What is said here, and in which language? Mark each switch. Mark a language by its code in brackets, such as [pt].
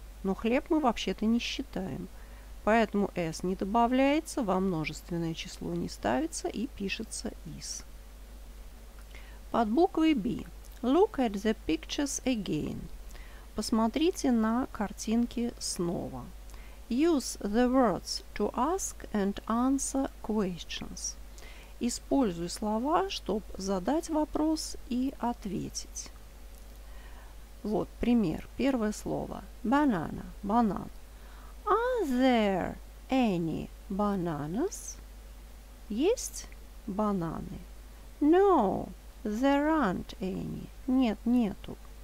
[ru] Но хлеб мы вообще-то не считаем. Поэтому S не добавляется, во множественное число не ставится и пишется is. Под буквой B. [en] Look at the pictures again. [ru] Посмотрите на картинки снова. [en] Use the words to ask and answer questions. [ru] Используй слова, чтобы задать вопрос и ответить. Вот пример. Первое слово. Banana. Банан. [en] Are there any bananas? [ru] Есть бананы? [en] No, there aren't any. [ru] Нет, нету.